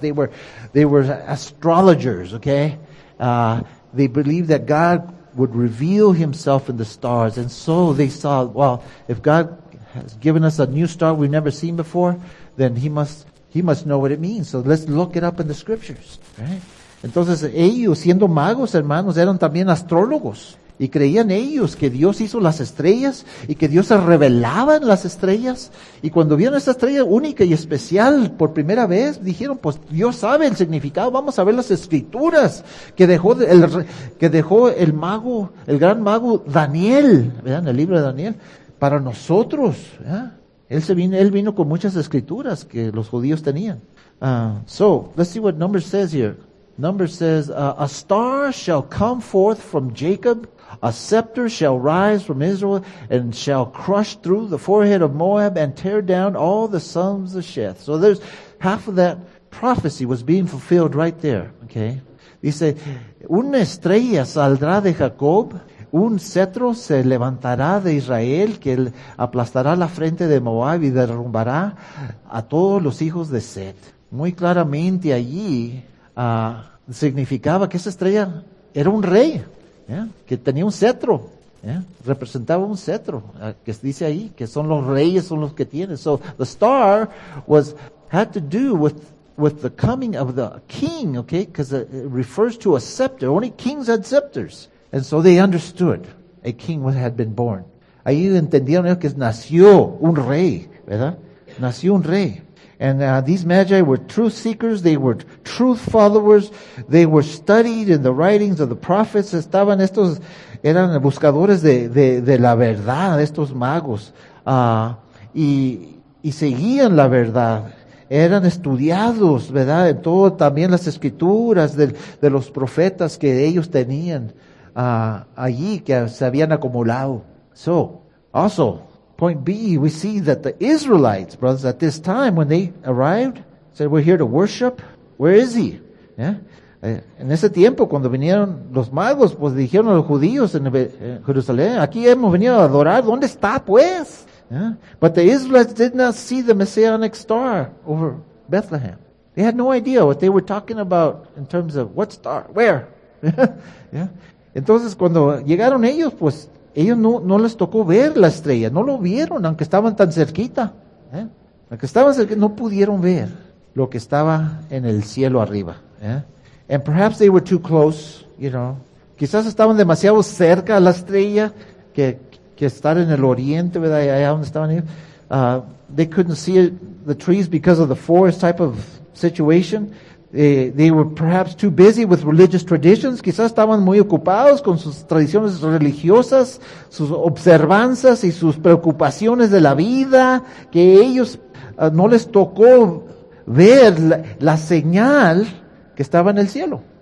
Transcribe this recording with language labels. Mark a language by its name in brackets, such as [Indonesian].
[English] They were astrologers, okay? They believed that God would reveal Himself in the stars. And so they saw, well, if God has given us a new star we've never seen before, then He must know what it means. So let's look it up in the scriptures, right? [Spanish] Entonces ellos, siendo magos, hermanos, eran también astrólogos. Y creían ellos que Dios hizo las estrellas y que Dios se revelaba en las estrellas. Y cuando vieron esa estrella única y especial por primera vez, dijeron, pues Dios sabe el significado, vamos a ver las escrituras que dejó el mago, el gran mago Daniel, ¿verdad? En el libro de Daniel, para nosotros. Él vino con muchas escrituras que los judíos tenían. [English] So, let's see what Numbers says here. Numbers says, a star shall come forth from Jacob, a scepter shall rise from Israel, and shall crush through the forehead of Moab and tear down all the sons of Sheth. So there's half of that prophecy was being fulfilled right there. Okay. [Spanish] Dice, una estrella saldrá de Jacob, un cetro se levantará de Israel, que aplastará la frente de Moab y derrumbará a todos los hijos de Seth. Muy claramente allí, significaba que esa estrella era un rey, ¿eh? Que tenía un cetro, ¿eh? Representaba un cetro, que dice ahí, que son los reyes, son los que tienen. [English] So the star had to do with the coming of the king, okay? Because it refers to a scepter. Only kings had scepters. And so they understood a king had been born. [Spanish] Ahí entendieron ellos que nació un rey, ¿verdad? Nació un rey. [English] And these magi were truth seekers, they were truth followers, they were studied in the writings of the prophets. [Spanish] Estaban estos, eran buscadores de la verdad, estos magos, y seguían la verdad. Eran estudiados, ¿verdad? En todo, también las escrituras de los profetas que ellos tenían allí, que se habían acumulado. [English] So, also, point B, we see that the Israelites, brothers, at this time when they arrived, said, we're here to worship. Where is he? Yeah. [Spanish] En ese tiempo, cuando vinieron los magos, pues dijeron a los judíos en Jerusalén, aquí hemos venido a adorar, ¿dónde está pues? [English] Yeah. But the Israelites did not see the messianic star over Bethlehem. They had no idea what they were talking about in terms of what star, where. Yeah. [Spanish] Entonces, cuando llegaron ellos, pues Ellos no les tocó ver la estrella, no lo vieron, aunque estaban tan cerquita. Aunque estaban cerquita, no pudieron ver lo que estaba en el cielo arriba. [English] And perhaps they were too close, you know. [Spanish] Quizás estaban demasiado cerca a la estrella que estar en el oriente, ¿verdad? Allá donde estaban ellos. [English] They couldn't see the trees because of the forest type of situation. They were perhaps too busy with religious traditions. [Spanish] Quizás estaban muy ocupados con sus tradiciones religiosas, sus observanzas y sus preocupaciones de la vida, que ellos no les tocó ver la señal que estaba en el cielo.